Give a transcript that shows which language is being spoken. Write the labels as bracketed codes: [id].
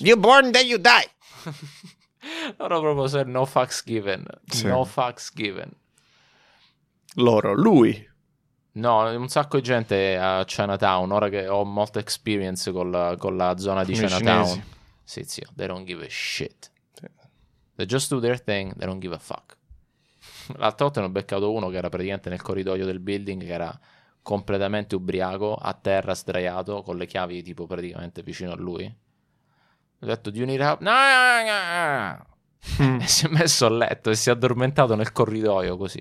[en] You born, then you die. Loro proprio no fucks given. [it] Sì. [en] No fucks given. [it] loro, lui. No, un sacco di gente a Chinatown, ora che ho molta experience con la zona di Chinatown. Sì, zio, [en] they don't give a shit. They just do their thing, they don't give a fuck. [it] L'altra volta ne ho beccato uno che era praticamente nel corridoio del building, che era completamente ubriaco, a terra sdraiato, con le chiavi tipo praticamente vicino a lui. Ho detto, [en] do you need help? [it] E si è messo a letto e si è addormentato nel corridoio così.